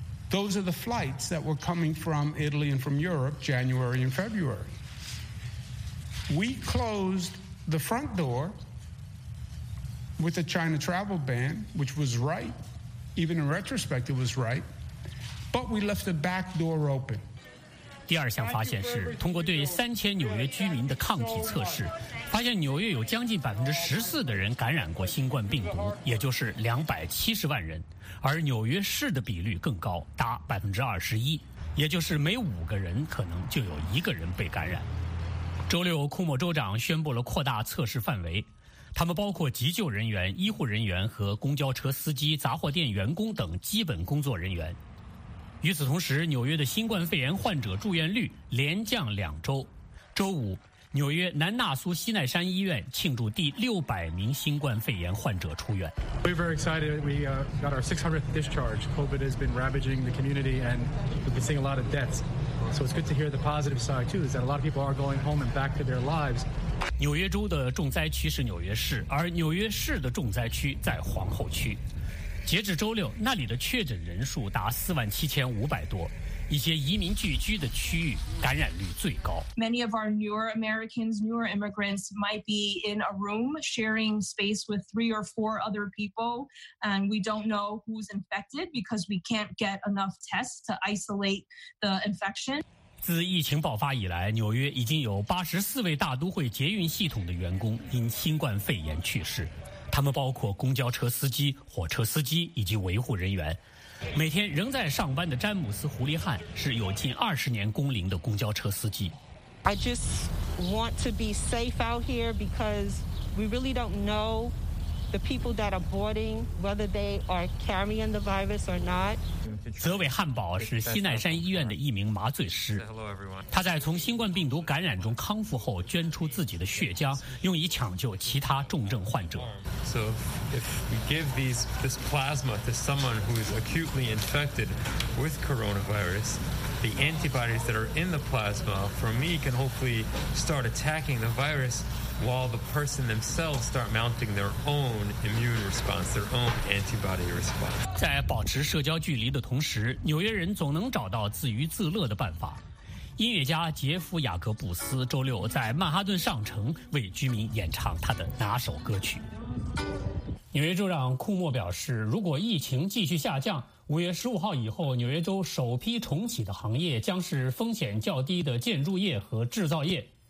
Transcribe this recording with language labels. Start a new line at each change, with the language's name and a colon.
English: Those are the flights that were coming from Italy and from Europe January and February. We closed the front door with the China travel ban, which was right. Even in retrospect, it was right. But we left the back door open.
Chinese: 第二项发现是通过对3000纽约居民的抗体测试，发现纽约有将近14%的人感染过新冠病毒，也就是270万人，而纽约市的比率更高，达21%，也就是每5个人可能就有1个人被感染。周六，库莫州长宣布了扩大测试范围，他们包括急救人员、医护人员和公交车司机、杂货店员工等基本工作人员。与此同时，纽约的新冠肺炎患者住院率连降2周。周五，纽约南纳苏西奈山医院庆祝第600名新冠肺炎患者出院。
English: We're very excited. We got our 600th discharge. COVID has been ravaging the community, and we've been seeing a lot of deaths. So it's good to hear the positive side too, is that a lot of people are going home and back to their lives.
Chinese: 纽约州的重灾区是纽约市，而纽约市的重灾区在皇后区。截至周六，那里的确诊人数达47500多，一些移民聚居的区域感染率最高。
English: Many of our newer Americans, newer immigrants might be in a room sharing space with 3 or 4 other people, and we don't know who's infected because we can't get enough tests to isolate the infection.
Chinese: 自疫情爆发以来，纽约已经有84位大都会捷运系统的员工因新冠肺炎去世。他们包括公交车司机、火车司机以及维护人员。每天仍在上班的詹姆斯·胡利汉是有近20年工龄的公交车司机。
English: I just want to be safe out here because we really don't know the people that are boarding whether they are carrying the virus or not.
Chinese: 泽韦汉堡是西奈山医院的一名麻醉师，他在从新冠病毒感染中康复后，捐出自己的血浆，用以抢救其他重症患者。
English: So if we give this plasma to someone who is acutely infected with coronavirus, the antibodies that are in the plasma for me can hopefully start attacking the virus while the person themselves start mounting their own immune response, their own antibody response.
Chinese: 在保持社交距离的同时，纽约人总能找到自娱自乐的办法。音乐家杰夫·雅各布斯周六在曼哈顿上城为居民演唱他的拿手歌曲。纽约州长库莫表示，如果疫情继续下降，5月15号以后，纽约州首批重启的行业将是风险较低的建筑业和制造业。